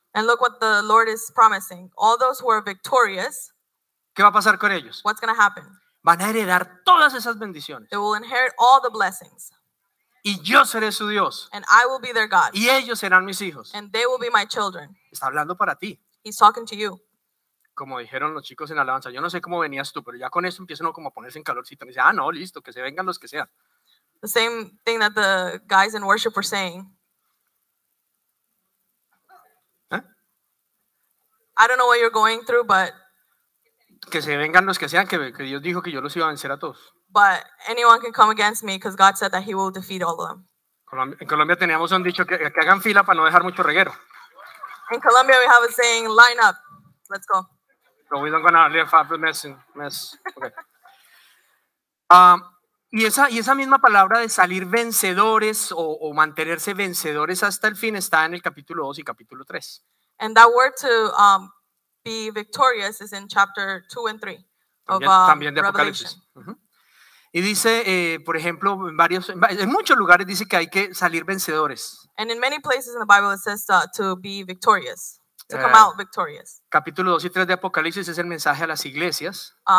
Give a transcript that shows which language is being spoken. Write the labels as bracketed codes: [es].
[en] And look what the Lord is promising. All those who are victorious, [es] ¿qué va a pasar con ellos? [en] What's going to happen? [es] Van a heredar todas esas bendiciones. [en] They will inherit all the blessings. [es] Y yo seré su Dios. [en] And I will be their God. [es] Y ellos serán mis hijos. [en] And they will be my children. [es] Está hablando para ti. [en] He's talking to you. [es] Como dijeron los chicos en alabanza, yo no sé cómo venías tú, pero ya con eso empiezan como a ponerse en calorcito. Me dice, ah, no, listo, que se vengan los que sean. [en] The same thing that the guys in worship were saying. ¿Eh? I don't know what you're going through, but [es] que se vengan los que sean, que Dios dijo que yo los iba a vencer a todos. [en] But anyone can come against me because God said that he will defeat all of them. [es] En Colombia teníamos un dicho que hagan fila para no dejar mucho reguero. [en] In Colombia we have a saying, line up. Let's go. So we don't gonna leave a mess. Okay. [es] Y esa misma palabra de salir vencedores o mantenerse vencedores hasta el fin está en el capítulo 2 y capítulo 3. [en] And that word to be victorious is in chapter 2 and 3 [es] también de Apocalipsis. Uh-huh. Y dice, por ejemplo, en muchos lugares dice que hay que salir vencedores. [en] And in many places in the Bible it says to be victorious. To come out victorious. [es] Capítulo 2 y 3 de Apocalipsis es el mensaje a las iglesias.